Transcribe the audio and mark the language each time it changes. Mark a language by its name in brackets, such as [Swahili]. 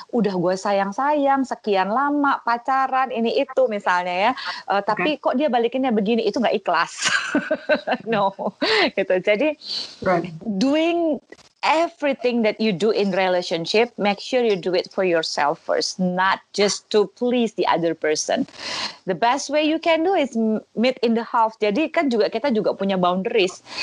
[Indonesian] Udah gue sayang-sayang, sekian lama pacaran, ini itu misalnya ya. Tapi kok dia balikinnya begini, itu gak ikhlas. No. Gitu. Jadi, [English] doing everything that you do in relationship, make sure you do it for yourself first, not just to please the other person. The best way you can do is meet in the half. [Indonesian] Jadi kan juga kita juga punya boundaries.